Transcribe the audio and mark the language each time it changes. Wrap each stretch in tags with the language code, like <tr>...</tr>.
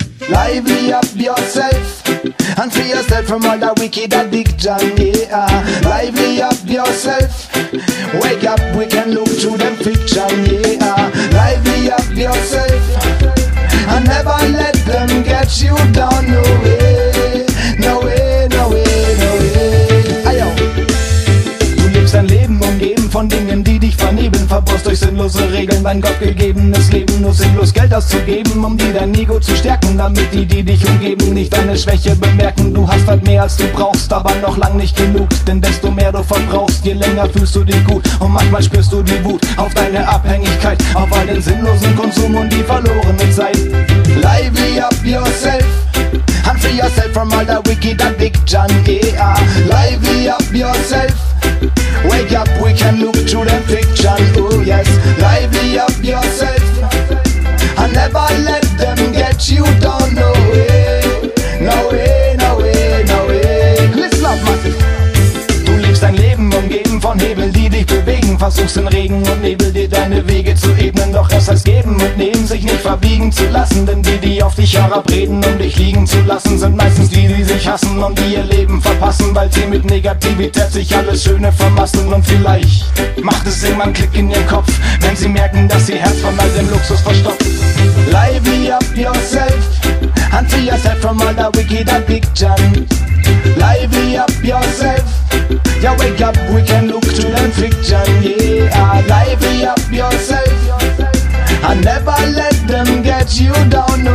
<en>Lively up yourself and free yourself from all that wicked addiction. Yeah, lively up yourself. Wake up, we can look to them fiction. Yeah, lively up yourself and never let them get you down. No way, no way, no way, no way.</en> <de>Ayo, du lebst dein Leben umgeben von Dingen, die dich vernebeln. Verbrauchst durch sinnlose Regeln dein gottgegebenes Leben, nur sinnlos Geld auszugeben, um dir dein Ego zu stärken, damit die, die dich umgeben, nicht deine Schwäche bemerken. Du hast halt mehr als du brauchst, aber noch lang nicht genug. Denn desto mehr du verbrauchst, je länger fühlst du dich gut. Und manchmal spürst du die Wut auf deine Abhängigkeit, auf all den sinnlosen Konsum und die verlorene Zeit.</de> <en>Lively up yourself and free yourself from all the wicked addiction. Yeah, lively up yourself. Wake up, we can look to the picture. Oh yes, lively up yourself and never let them get you down. No way, no way, no way, no way. Listen up, man.</en> <de>Du lebst dein Leben umgeben von Hebel, die dich bewegen. Versuchst in Regen und Nebel dir deine Wege zu ebnen. Doch es heißt geben und nehmen, sich nicht verbiegen zu lassen. Denn die, die auf dich herabreden, um dich liegen zu lassen, sind meistens die, die sich hassen und die ihr Leben verpassen. Weil sie mit Negativität sich alles Schöne vermasseln. Und vielleicht macht es irgendwann Klick in ihrem Kopf, wenn sie merken, dass ihr Herz von all dem Luxus verstopft.</de> <en>Lively up yourself and free yourself from all the wicked addiction. Lively up yourself. Yeah, wake up, we can look to the fiction. Yeah, lively up yourself and never let them get you down.</en>